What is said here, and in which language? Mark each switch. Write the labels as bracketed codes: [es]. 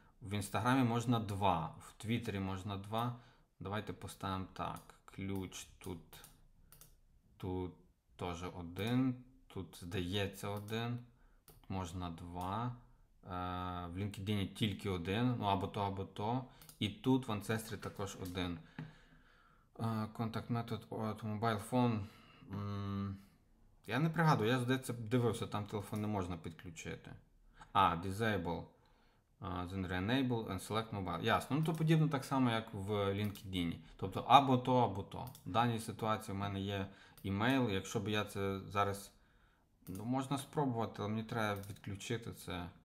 [uk] В Інстаграмі можна два, в Твіттері можна два. Давайте поставимо так. Ключ тут теж один, тут здається один, тут можна два. В LinkedIn тільки один, ну або то, і тут в Ancestry також один. [en] Контакт метод от мобайл фон. [uk] Я не пригадую, я здається дивився, там телефон не можна підключити. [en] А, disable, then re-enable and select mobile. [uk] Ясно. Ну то подібно так само, як в LinkedIn. Тобто або то. В даній ситуації в мене є імейл. Якщо б я це зараз, ну, можна спробувати, але мені треба відключити це.